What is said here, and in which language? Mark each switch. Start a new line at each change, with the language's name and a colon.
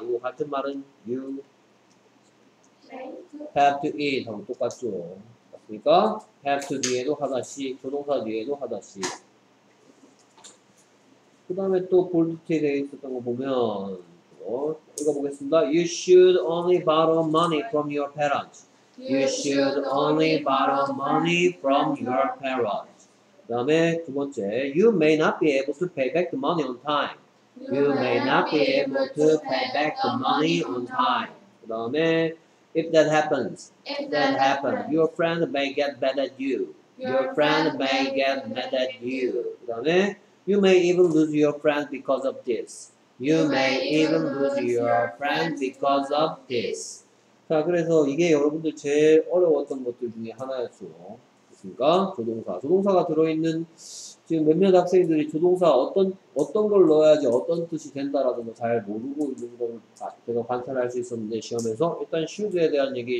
Korean: 이거 같은 말은
English: you have to eat
Korean: 하고 똑같죠. 그러니까 have to 뒤에도 하다씩 조동사 뒤에도 하다씩. 그 다음에 또 볼드티에 대해 있었던 거 보면 읽어보겠습니다.
English: You should only borrow money from your parents. You should only borrow money from your parents.
Korean: 그 다음에 두 번째
English: You may not be able to pay back the money on time. You may not be able to pay back the money on time.
Korean: 그 다음에
English: If that happens, if that happens, your friend may get mad at you. Your friend may get mad at you.
Korean: 그 다음에
English: You may even lose your friend because of this. You may even lose your friend because of this.
Korean: 자, 그래서 이게 여러분들 제일 어려웠던 것들 중에 하나였어요. 그러니까 조동사. 조동사가 들어있는 지금 몇몇 학생들이 조동사 어떤 걸 넣어야지 어떤 뜻이 된다라는 걸 잘 모르고 있는 걸 제가 관찰할 수 있었는데 시험에서 일단 should에 대한 얘기.